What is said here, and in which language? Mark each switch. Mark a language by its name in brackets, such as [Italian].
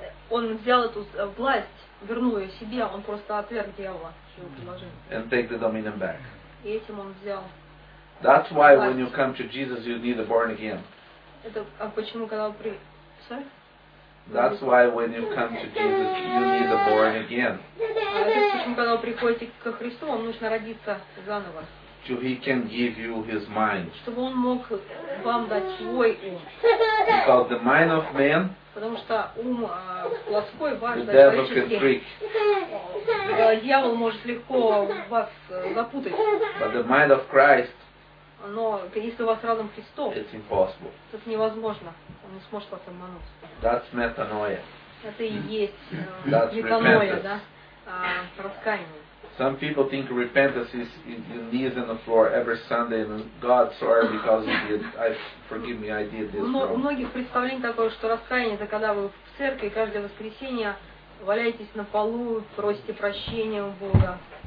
[Russian] Он взял эту власть, вернул ее себе, он просто отверг дьявола, [English] and take the dominion back. [Russian] И этим он взял. [English] That's why [Russian] власть. [English] When you come to Jesus, you need a born again. [Russian] Это а почему когда вы при? [English] Sorry? That's why when you come to Jesus, you need a born again. [Russian] А это почему когда вы приходите к Христу, вам нужно родиться заново. [English] So he can give you his mind. [Russian] Чтобы он мог вам дать свой ум. [English] Because the mind of man. [Russian] Потому что ум плоской важен. [English] The devil can trick. [Russian] Дьявол может легко вас запутать. [English] But the mind of Christ. [Russian] Но если у вас разум Христов. [English] It's impossible. [Russian] Это невозможно. Он не сможет вас обмануть. [English] That's metanoia. [Russian] Это и есть метаноя, да? Раскаяние. [English] Some people think repentance is your knees on the floor every Sunday and God sorry because you did, I forgive me, I did this wrong. [Russian] У многих представление такое, что раскаяние это когда вы в церкви каждое воскресенье валяетесь на полу, просите прощения у Бога.